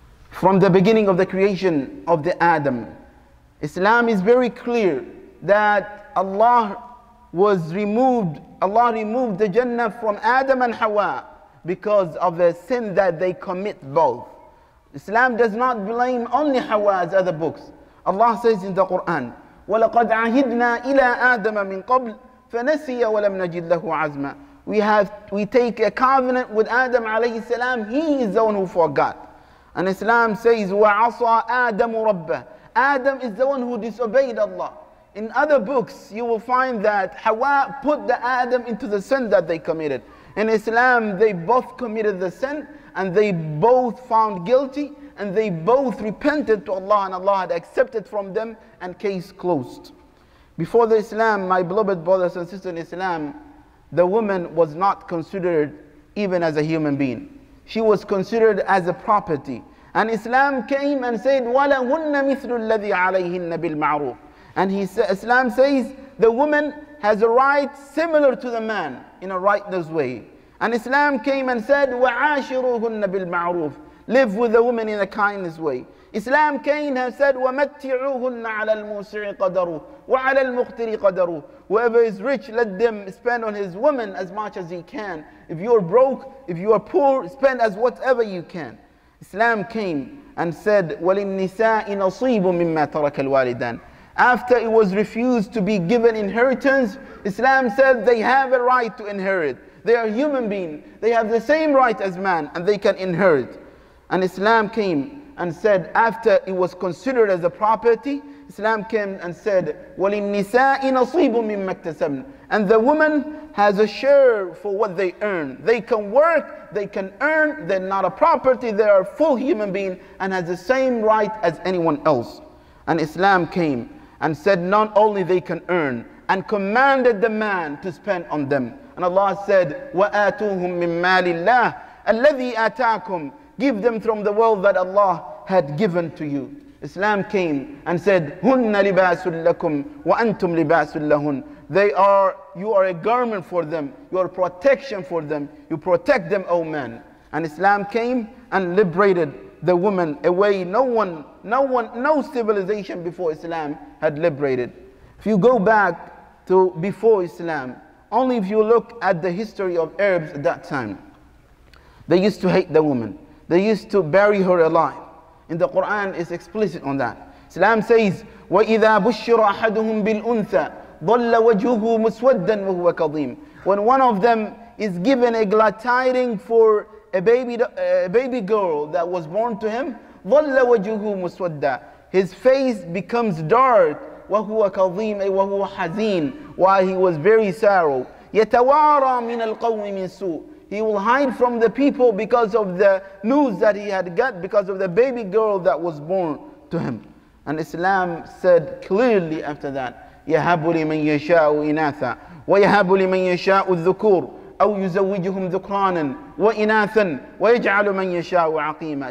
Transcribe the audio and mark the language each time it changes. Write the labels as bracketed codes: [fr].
[en] From the beginning of the creation of the Adam, Islam is very clear that Allah removed the Jannah from Adam and Hawa because of a sin that they commit both. Islam does not blame only Hawa as other books. Allah says in the Quran, [ar] وَلَقَدْ عَهِدْنَا إِلَىٰ آدَمَ مِنْ قَبْلِ فَنَسِيَ وَلَمْ نَجِدْ لَهُ عَزْمًا. [en] We take a covenant with Adam alayhi salam. He is the one who forgot. And Islam says, [ar] وَعَصَى آدَمُ رَبَّهُ. [en] Adam is the one who disobeyed Allah. In other books, you will find that Hawa put the Adam into the sin that they committed. In Islam, they both committed the sin, and they both found guilty, and they both repented to Allah, and Allah had accepted from them, and case closed. Before the Islam, my beloved brothers and sisters in Islam, the woman was not considered even as a human being. She was considered as a property. And Islam came and said, [ar] وَلَهُنَّ مِثْلُ الَّذِي عَلَيْهِنَّ بِالْمَعْرُوفِ. [en] And Islam says, the woman has a right similar to the man in a righteous way. And Islam came and said, [ar] وَعَاشِرُوهُنَّ بِالْمَعْرُوفِ. [en] Live with the woman in a kindness way. Islam came and said, [ar] وَمَتِّعُوهُنَّ عَلَى الْمُوسِعِ قَدَرُهُ وَعَلَى الْمُقْتِرِ قَدَرُهُ. [en] Whoever is rich, let them spend on his woman as much as he can. If you are broke, if you are poor, spend as whatever you can. Islam came and said, [ar] وَلِلنِّسَاءِ نَصِيبٌ مِمَّا تَرَكَ الْوَالِدَانِ. [en] After it was refused to be given inheritance, Islam said they have a right to inherit. They are human beings. They have the same right as man, and they can inherit. And Islam came and said, after it was considered as a property, Islam came and said, [ar] وَلِلنِّسَاءِ نَصِيبٌ مِمَّا اكْتَسَبْنَ. [en] And the woman has a share for what they earn. They can work, they can earn, they're not a property, they are full human being and has the same right as anyone else. And Islam came and said, not only they can earn, and commanded the man to spend on them. And Allah said, [ar] وَآتُوهُم مِّن مَالِ اللَّهِ الَّذِي آتَاكُمْ. [en] Give them from the wealth that Allah had given to you. Islam came and said, [ar] هُنَّ لِبَاسٌ لَكُمْ وَأَنْتُمْ لِبَاسٌ لَهُنْ. [en] You are a garment for them. You are protection for them. You protect them, O man. And Islam came and liberated the woman a way no civilization before Islam had liberated. If you go back to before Islam, only if you look at the history of Arabs at that time, they used to hate the woman. They used to bury her alive. In the Quran, it's explicit on that. Islam says, [ar] وَإِذَا بُشِّرَ أَحَدُهُمْ بِالْأُنْثَى ضَلَّ وَجُهُهُ مُسْوَدًا وَهُوَ كَظِيمٌ. [en] When one of them is given a glad tiding for a baby girl that was born to him, [ar] ضَلَّ وَجُهُهُ مُسْوَدًا. [en] His face becomes dark, [ar] وَهُوَ كَظِيمٌ وَهُوَ حَزِينٌ, [en] while he was very sorrow. [ar] يَتَوَارَى مِنَ الْقَوْمِ مِنْ سُوءٍ. [en] He will hide from the people because of the news that he had got, because of the baby girl that was born to him. And Islam said clearly after that, [ar] يَهَبُ لِمَنْ يَشَاءُ إِنَاثًا وَيَهَبُ لِمَنْ يَشَاءُ الذُّكُورُ أَوْ يُزَوِّجُهُمْ ذُكْرَانًا وَإِنَاثًا وَيَجْعَلُ مَنْ يَشَاءُ عَقِيمًا.